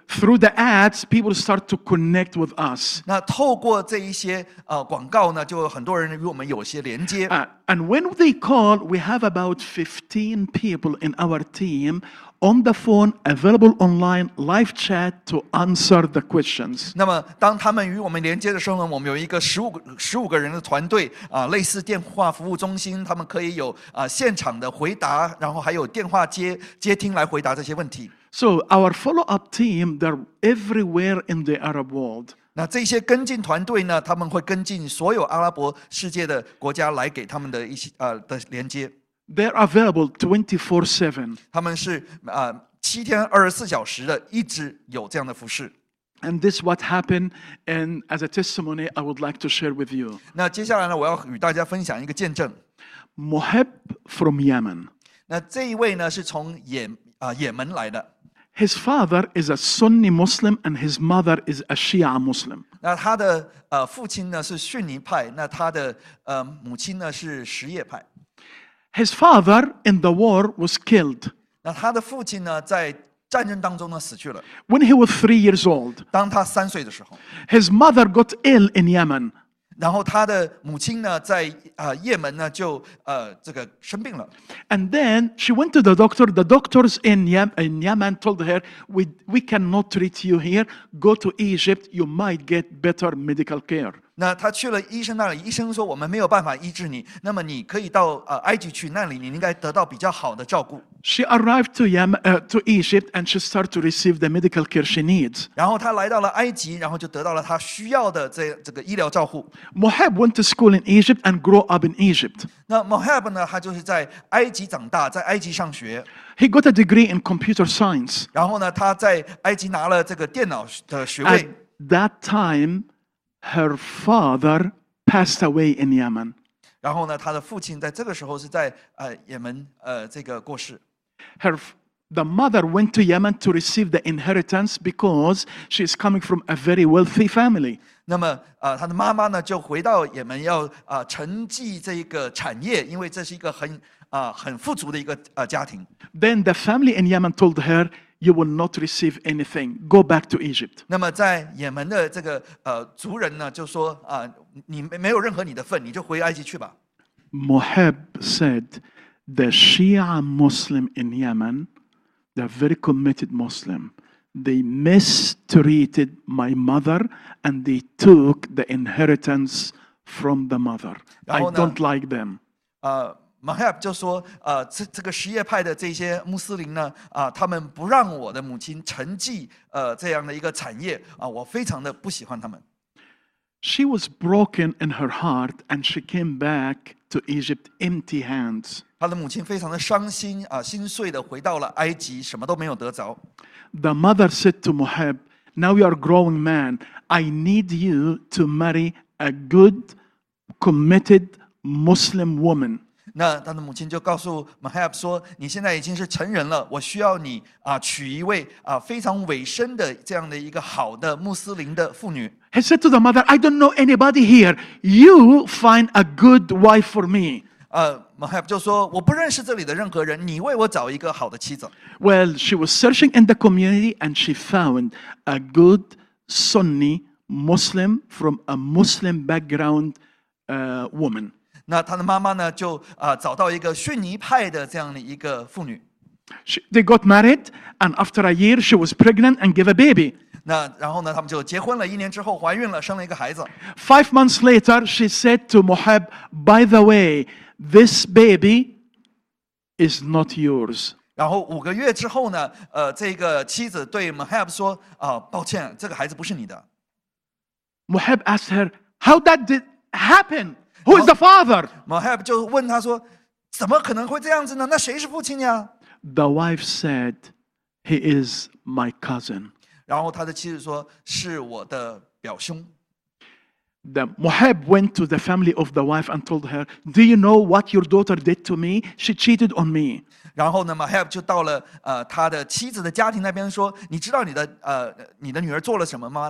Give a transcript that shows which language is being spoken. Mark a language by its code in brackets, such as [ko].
[en] Through the ads, people start to connect with us. [zh] 那透过这一些广告呢，就很多人与我们有些连接。 [en] And when they call, we have about 15 people in our team. On the phone, available online, live chat to answer the questions. [zh] 那么，当他们与我们连接的时候呢，我们有一个15个人的团队类似电话服务中心，他们可以有现场的回答，然后还有电话接听来回答这些问题。 [en] So our follow-up team, they're everywhere in the Arab world. [zh] 那这些跟进团队呢，他们会跟进所有阿拉伯世界的国家来给他们的一些的连接。 [en] They're available 24/7. [zh] 他们是7天24小时的，一直有这样的服事。 [en] And this is what happened, and as a testimony, I would like to share with you. [zh] 那接下来呢，我要与大家分享一个见证。 [en] Mohab from Yemen. [zh] 那这一位呢，是从也门来的。 [en] His father is a Sunni Muslim, and his mother is a Shia Muslim. [zh] 那他的父亲呢是逊尼派，那他的母亲呢是什叶派。 [en] His father in the war was killed. [zh] 那他的父亲呢，在战争当中呢死去了。 [en] When he was 3 years old, [zh] 当他3岁的时候 [en] ，his mother got ill in Yemen. [zh] 然后他的母亲呢，在也门呢就这个生病了。 [en] And then she went to the doctor. The doctors in Yemen told her, "We cannot treat you here. Go to Egypt. You might get better medical care." [zh] 那他去了医生那里，医生说我们没有办法医治你，那么你可以到埃及去，那里你应该得到比较好的照顾。 [en] She arrived to Yemen, to Egypt, and she started to receive the medical care she needs. [zh] 然后她来到了埃及，然后就得到了她需要的这个医疗照护。 [en] Mohab went to school in Egypt and grew up in Egypt. [zh] 那 Mohab 呢，他就是在埃及长大，在埃及上学。 [en] He got a degree in computer science. [zh] 然后呢，他在埃及拿了这个电脑的学位。 [en] At that time, her father passed away in Yemen. [zh] 然后呢，他的父亲在这个时候是在也门这个过世。 [en] The mother went to Yemen to receive the inheritance because she is coming from a very wealthy family. [zh] 那么他的妈妈呢就回到也门要承继这个产业，因为这是一个很富足的一个家庭。 [en] Then the family in Yemen told her, "You will not receive anything. Go back to Egypt." [zh] 那么在也门的这个族人呢就说你没有任何你的份，你就回埃及去吧。 [en] Mohab said, "The Shia Muslim in Yemen, they're very committed Muslim. They mistreated my mother and they took the inheritance from the mother. I don't like them." [zh] Mohab 就说这个什叶派的这些穆斯林呢他们不让我的母亲承继这样的一个产业我非常的不喜欢他们。 [en] She was broken in her heart and she came back to Egypt empty hands. [zh] 她的母亲非常的伤心心碎的回到了埃及什么都没有得着。 [en] The mother said to Mohab, "Now you are a growing man. I need you to marry a good, committed Muslim woman." [zh] 那她的母亲就告诉 Mohab 说你现在已经是成人了我需要你娶一位非常委身的这样的一个好的穆斯林的妇女。 [en] He said to the mother, "I don't know anybody here. You find a good wife for me." [zh] Mohab 就说我不认识这里的任何人，你为我找一个好的妻子。 [en] Well, she was searching in the community and she found a good Sunni Muslim from a Muslim background, woman. [zh] 那她的妈妈呢，就找到一个逊尼派的这样的一个妇女。 [en] They got married, and after a year, she was pregnant and gave a baby. [zh] 那然后呢他们就结婚了一年之后怀孕了生了一个孩子。 [en] Five months later, she said to Mohab, "By the way, this baby is not yours." [zh] 然后五个月之后呢这个妻子对 Mohab 说抱歉这个孩子不是你的。 [en] Mohab asked her, "How that did happen? Who is the father?" [zh] Mohab 就问他说怎么可能会这样子呢那谁是父亲呀 [en] ?The wife said, "He is my cousin." [zh] 然后他的妻子说是我的表兄。 [en] The Mohab went to the family of the wife and told her, "Do you know what your daughter did to me? She cheated on me." [zh] 然后呢 ，Mohab 就到了他的妻子的家庭那边说，你知道你的女儿做了什么吗？